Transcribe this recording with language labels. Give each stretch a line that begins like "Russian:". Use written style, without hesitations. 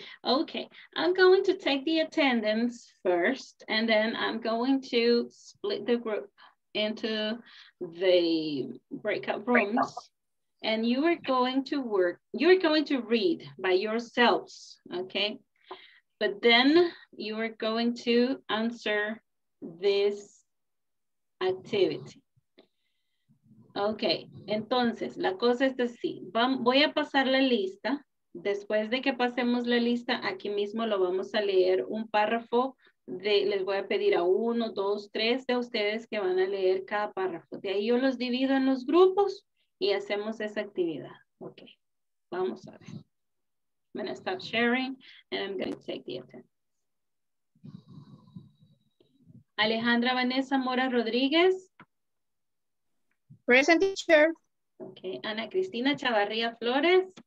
English: Okay, I'm going to take the attendance first and then I'm going to split the group into the breakout rooms. And you are going to work, you're going to read by yourselves, okay? But then you are going to answer this activity.
Spanish: Okay, entonces, la cosa es decir, voy a pasar la lista. Después de que pasemos la lista, aquí mismo lo vamos a leer un párrafo de, les voy a pedir a uno, dos, tres de ustedes que van a leer cada párrafo. De ahí yo los divido en los grupos y hacemos esa actividad. Ok, vamos a ver.
English: I'm going to stop sharing and I'm going to take the attendance. Alejandra Vanessa Mora Rodríguez. Present teacher. Ok, Ana Cristina Chavarría Flores.